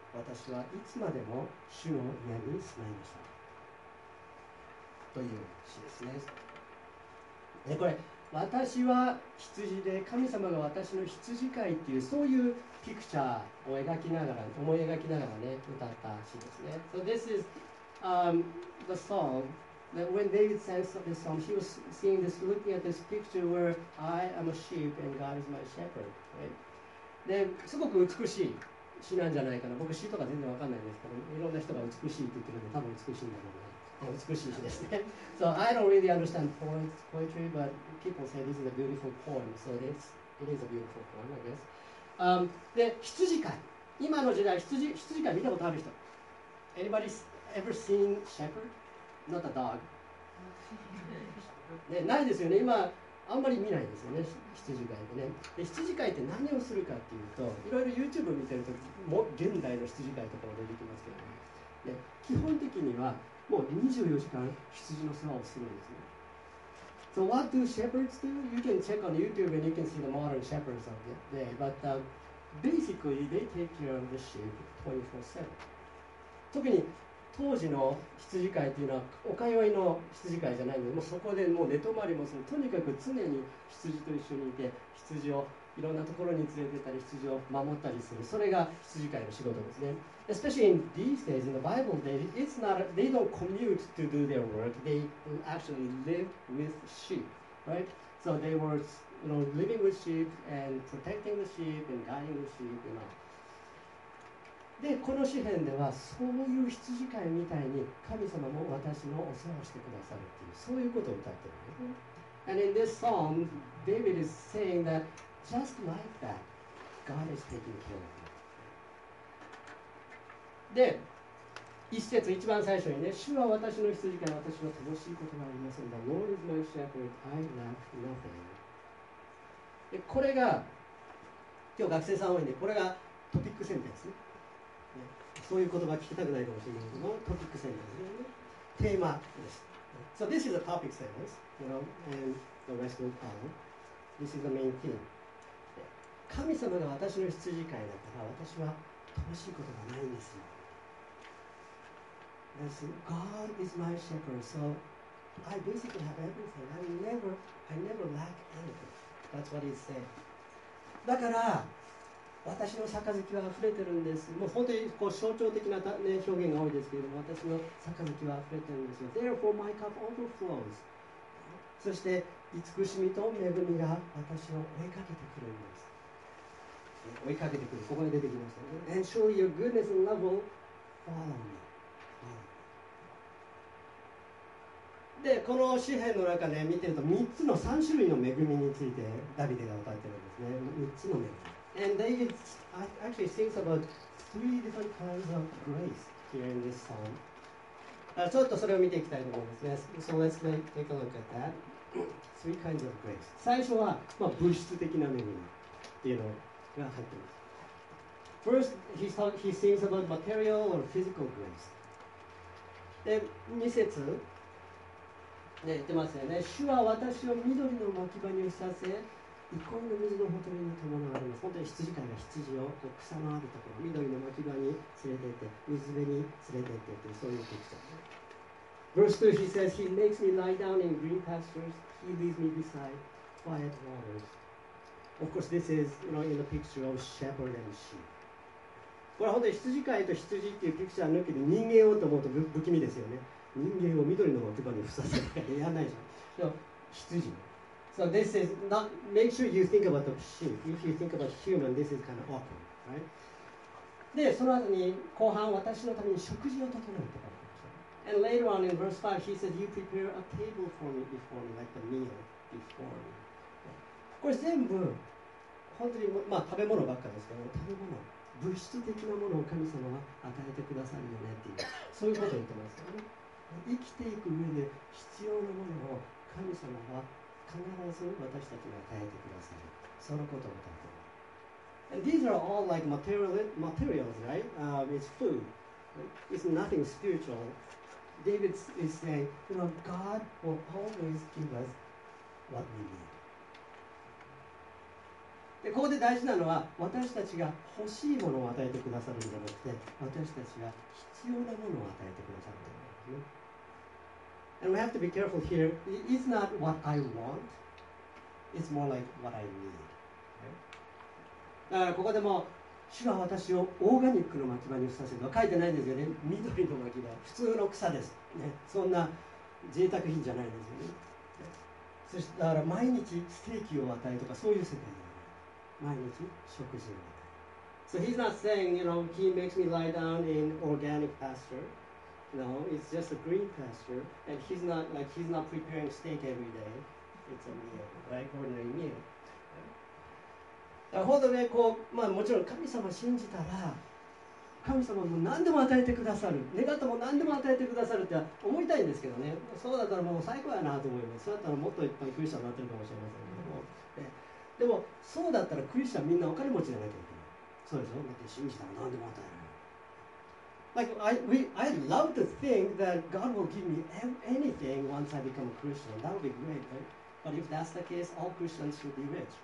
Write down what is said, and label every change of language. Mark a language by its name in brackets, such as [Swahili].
[Japanese] 私はいつまでも主の家に住まいましょう。という詩ですね。で、これ、私は羊で神様が私の羊飼いっていうそういうピクチャーを描きながら思い描きながらね歌った詩ですね。 [English] So this is the song that when David sang this song, he was seeing this, looking at this picture where I am a sheep and God is my shepherd.、Right? [Japanese] で、すごく美しい詩なんじゃないかな。僕詩とか全然わかんないんですけど、いろんな人が美しいって言ってるので多分美しいんだろうな。美しい詩ですね。 [English] So I don't really understand poetry, but people say this is a beautiful poem. So it is a beautiful poem, I guess.、 [Japanese] で、羊飼い。今の時代、羊飼い見たことある人。 [English] Anybody ever seen shepherd? Not a dog. [Japanese] 、ね、ないですよね。今、あんまり見ないですよね。羊飼いでね。で、羊飼いって何をするかっていうと、いろいろ YouTube 見てると、も現代の羊飼いとかも出てきますけどね。で、基本的には、もう24時間羊の世話をするんですね。 [English] So what do shepherds do? You can check on YouTube and you can see the modern shepherds of the day. But basically, they take care of the sheep 24/7. [Japanese] 特に当時の羊飼いというのはお通いの羊飼いじゃないので、もうそこでもう寝泊まりもする。とにかく常に羊と一緒にいて、羊をいろんなところに連れてたり、羊を守ったりする。それが羊飼いの仕事ですね。 [English] Especially in these days, in the Bible days, they don't commute to do their work. They actually live with sheep, right? So they were, you know, living with sheep and protecting the sheep and guiding the sheep, you know. [Japanese] で、この詩編では、そういう羊飼いみたいに神様も私のお世話をしてくださるっていう、そういうことを歌ってるね。 [English] And in this psalm, David is saying that just like that, God is taking care of you. [Japanese] で、一節一番最初にね、主は私の羊飼い、私は乏しいことがありませんが、 [English] The Lord is my shepherd, I lack nothing. [Japanese] で、これが、今日学生さん多いんで、これがトピックセンテンス、ね。そういう言葉聞きたくないかもしれないけど、トピックセンテンス、ね。テーマです。 [English] So this is a topic sentence, you know, and the rest will follow. This is the main theme. [Japanese] 神様が私の羊飼いだったら、私は乏しいことがないんですよ。 [English] That's God is my shepherd, so I basically have everything. I never lack anything. That's what it said. [Japanese] だから私の杯は溢れてるんです。もう本当にこう象徴的な、ね、表現が多いですけれども、私の杯は溢れてるんですよ。 [English] Therefore my cup overflows. [Japanese] そして慈しみと恵みが私を追いかけてくるんです。追いかけてくる。ここに出てきましたね。 [English] And surely your goodness and love will follow me. [Japanese] でこの詩編の中で見てると3つの3種類の恵みについてダビデが歌っているんですね。 3つの恵み。 [English] And David actually sings about three different kinds of grace here in this song. [Japanese] ちょっとそれを見ていきたいと思いますね。 [English] So let's take a look at that. Three kinds of grace. [Japanese] 最初は、まあ、物質的な恵みっていうのが入っています。 [English] First, he sings about material or physical grace. [Japanese] で、2節。ね、言ってますよね。主は私を緑の牧場にさせ、憩いの水のほとりに伴われます。本当に羊飼いが羊をこう草のあるところ、緑の牧場に連れて行って、水辺に連れて行ってという、そういう特徴。 [English] Verse 2, he says, He makes me lie down in green pastures, He leads me beside quiet waters. Of course, this is, you know, in the picture of shepherd and sheep. [Japanese] これ本当に羊飼いと羊っていうピクチャー抜きで人間をと思うと不気味ですよね。人間を緑の牧場にふさせるやんないじゃん。でも羊。 [English] So this is not, make sure you think about the sheep. If you think about human, this is kind of awkward, right? [Japanese] で、その後に後半私のために食事を整えるとか。 [English] And later on in verse 5, he said, You prepare a table for me before me, like the meal before me. [Japanese] これ全部、本当に、まあ、食べ物ばっかですけど、食べ物。物質的なものを神様は与えてくださるよねっていう、そういうことを言ってますよね。生きていく上で必要なものを神様は必ず私たちに与えてくださる、そのことを歌っています。 [English] And these are all like materials, right? It's food. It's nothing spiritual. David is saying, you know, God will always give us what we need. [Japanese] でここで大事なのは私たちが欲しいものを与えてくださるんじゃなくて私たちが必要なものを与えてくださるんだよね。 [English] And we have to be careful here. It's not what I want. It's more like what I need.、Okay? [Japanese] だからここでも主は私をオーガニックの牧場にふさせると書いてないんですよね。緑の牧場、普通の草です、ね。そんな贅沢品じゃないんですよね。そしてだから毎日ステーキを与えとかそういう世界です。毎日食事を。 [English] So he's not saying, you know, he makes me lie down in organic pasture. No, it's just a green pasture. And he's not like he's not preparing steak every day. It's a meal, like ordinary meal. [Japanese] だからほんとね、こう、まあもちろん神様信じたら、神様も何でも与えてくださる、願っても何でも与えてくださるって思いたいんですけどね。そうだったらもう最高やなと思います。そうだったらもっといっぱいクリスチャンになってるかもしれませんけども。でもそうだったらクリスチャンみんなお金持ちじゃなきゃいけない。そうでしょ。だって信じたら何でも与える。 [English] Like I love to think that God will give me anything once I become a Christian. That would be great, right? But if that's the case, all Christians should be rich.